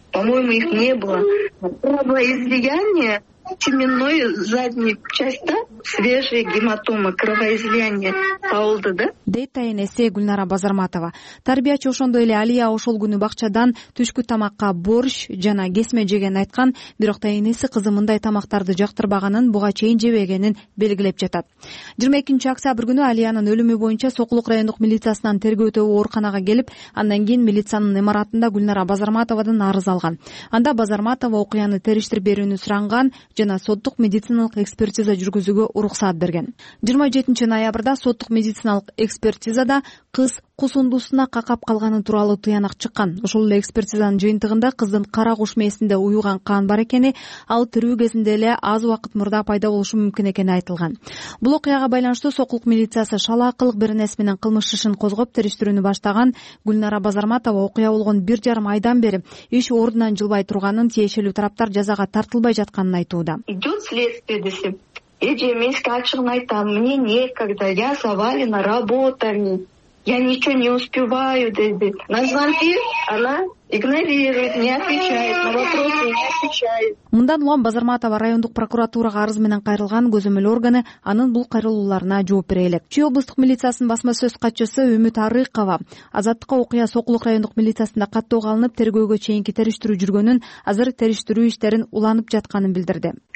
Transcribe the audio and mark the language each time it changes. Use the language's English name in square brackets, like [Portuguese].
[Russian] По-моему, их не было. Было излияние, семенной задней части, свежие гематомы, кровоизлияние [Kyrgyz] болду, [Russian] да? [Kyrgyz] Дейт айнеси Гүлнара Базарматова. Тарбиячы ошондой эле Алия ошол күнү бакчадан түшкү тамакка борщ жана кесме жеген айткан, бирок айнеси кызы мындай тамактарды жактырбаганын, буга чейин жебегенин белгилеп жатат. 22-октябрь күнү Алиянын өлүмү боюнча Сокулук райондук милициясынан тергөө өтөбү ооруканага келип, андан кийин милициянын имаратында Гүлнара Базарматовадан арыз алган. Анда Базарматова окуяны териштирип берүүнү суранган жана соттук медициналык экспертиза жүргүзүүгө уруксат берген. 27-ноябрда соттук медициналык экспертизада кыз кусундусуна какап калганы тууралуу тыянак чыккан. Ошол эле экспертизанын жыйынтыгында кыздын кара куш мээсинде уюган кан бар экени, ал тирүү кезинде эле аз убакыт мурда пайда болушу мүмкүн экени айтылган. Бул окуяга байланыштуу Сокулук милициясы шалаакылык беренеси менен кылмыш ишин козгоп териштирүүнү баштаган. Гүлнара Базарматова окуя болгон 1.5 айдан бери иш ордунан жылбай турганын, тиешелүү тараптар жазага тартылбай жатканын айтууда. [Russian] Идет следствие [Kyrgyz] десем, эже мен сизге ачыгын айтам, [Russian] мне некогда, я завалена работами, я ничего не успеваю, [Kyrgyz] деди. [Russian] На звонки она игнорирует, не отвечает на вопросы, не отвечает. [Kyrgyz] Мындан улам Базарматова райондук прокуратурага арыз менен кайрылган көзөмөл органы анын бул кайрылууларына жооп бере элек. Чүй облустук милициясынын басма сөз катчысы Үмүт Арыкова азаттыкка окуя Сокулук райондук милициясында каттоого алынып, тергөөгө чейинки териштирүү жүргөнүн, азыр териштирүү иштерин уланып жатканын билдирди.